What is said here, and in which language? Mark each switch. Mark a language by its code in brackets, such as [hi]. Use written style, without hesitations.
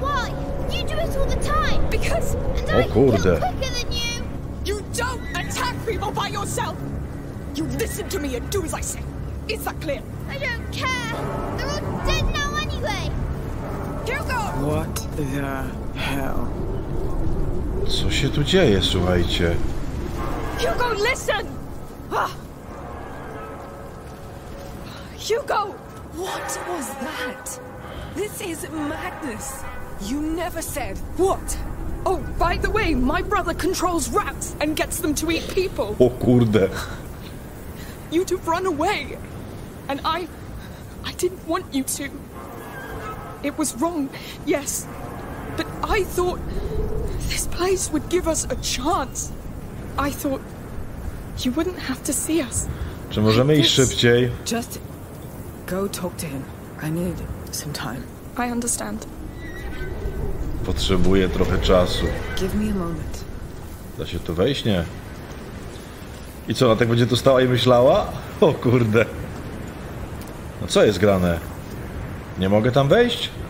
[en] Why? You do it all the time. Because, and I kill quicker than you. You don't attack people by yourself. You listen to me and do as I say. Is that clear? I don't care. They're all dead now anyway. Hugo! What the hell? [pl] Co się tu dzieje, słuchajcie? [en] Hugo, listen! Ah. Hugo! What was that? This is madness. You never said what? Oh, by the way, my brother controls rats and gets them to eat people. [pl] O kurde. [en] You'd have run away. And I didn't want you to. It was wrong, yes. But I thought this place would give us a chance. I thought you wouldn't have to see us. [pl] Czy możemy iść szybciej? [en] Just go talk to him. I need some time. I understand. [pl] Potrzebuję trochę czasu. [en] Give me a moment. [pl] Da się tu wejść, nie? I co, ona tak będzie tu stała i myślała? O kurde. No co jest grane? Nie mogę tam wejść?